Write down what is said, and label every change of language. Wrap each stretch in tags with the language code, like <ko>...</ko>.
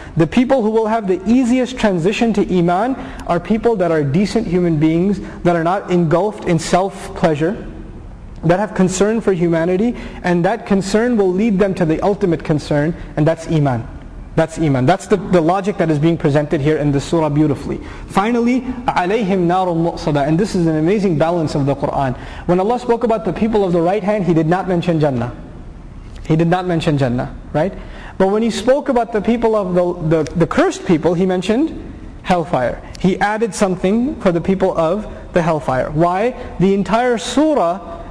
<en>The people who will have the easiest transition to iman are people that are decent human beings, that are not engulfed in self-pleasure, that have concern for humanity, and that concern will lead them to the ultimate concern, and that's iman. That's iman. That's the logic that is being presented here in this surah beautifully. Finally,</en> <ar>عَلَيْهِمْ نَارٌ مُؤْصَدَةٌ.</ar> <en>And this is an amazing balance of the Qur'an. When Allah spoke about the people of the right hand, He did not mention Jannah. He did not mention Jannah, right? But when He spoke about the people of the cursed people, He mentioned hellfire. He added something for the people of the hellfire. Why? The entire surah</en>